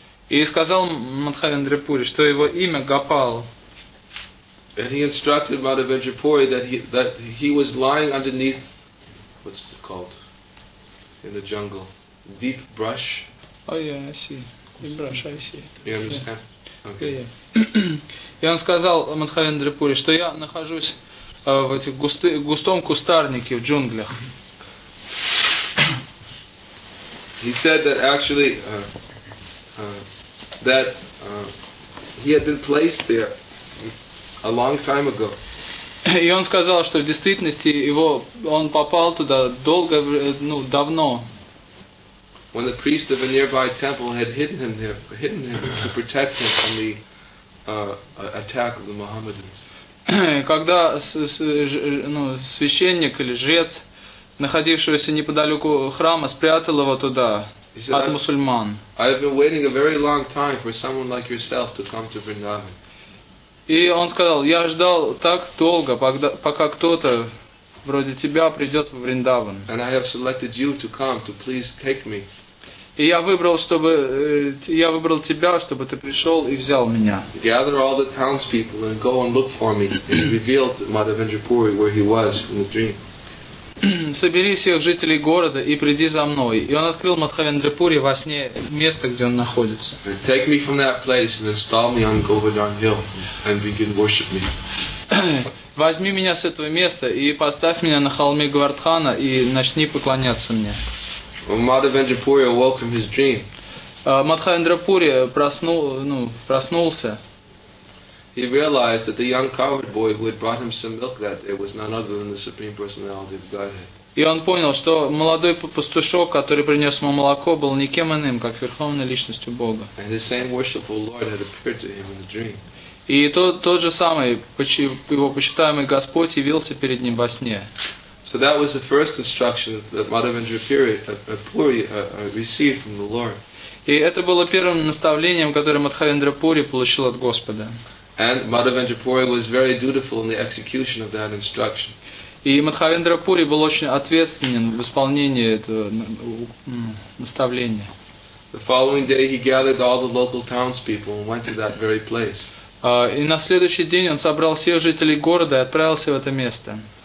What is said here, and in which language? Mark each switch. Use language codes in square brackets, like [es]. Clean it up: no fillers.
[ru] И сказал Мадхавендрапури, что его имя Гопал. [en] And he instructed Madhavendrapuri that he was lying underneath, what's it called, in the jungle. deep brush. Oh yeah, I see. Deep brush, I see. You understand? Okay. [ru] И он сказал Мадхавендра Пури, что я нахожусь в этих густом кустарнике, в джунглях. [en] He said that actually that he had been placed there a long time ago. [ru] И он сказал, что в действительности его он попал туда долго, ну, давно. [en] When the priest of a nearby temple had hidden him to protect him from the attack of the Mohammedans. [ru] Когда священник или жрец, находившегося неподалеку храма, спрятал его туда от мусульман. [en] I've been waiting a very long time for someone like yourself to come to Vrindavan. [ru] И он сказал, я ждал так долго, пока кто-то вроде тебя придет в Вриндаван. [en] And I have selected you to come to please take me. [ru] И я выбрал тебя, чтобы ты пришел и взял меня. [en] Gather all the townspeople and go and look for me. And he revealed to Madhavendra Puri where he was in the dream. [ru] Собери всех жителей города и приди за мной. И он открыл Мадхавендра Пури во сне место, где он находится. [en] And take me from that place and install me on Govardhan Hill and begin worship me. [ru] Возьми меня с этого места и поставь меня на холме Говардхана и начни поклоняться мне. [en] Madhavendra Puri awoke from his dream. [ru] Madhavendra Puri проснулся. [en] He realized that the young cowherd boy who had brought him some milk that day was none other than the Supreme Personality of Godhead. [ru] И он понял, что молодой пастушок, который принес ему молоко, был никем иным, как верховной личностью Бога. [en] And the same worshipful Lord had appeared to him in the dream. [ru] И тот же самый его почитаемый Господь явился перед ним во сне. [en] So that was the first instruction that Madhavendra Puri received from the Lord. [ru] И это было первым наставлением, которое Мадхавендра Пури получил от Господа. [en] And Madhavendra Puri was very dutiful in the execution of that instruction. [ru] И Мадхавендра Пури был очень ответственен в исполнении этого наставления. [en] The following day he gathered all the local townspeople and went to that very place. [ru] И на следующий день он собрал всех жителей города и отправился в это место.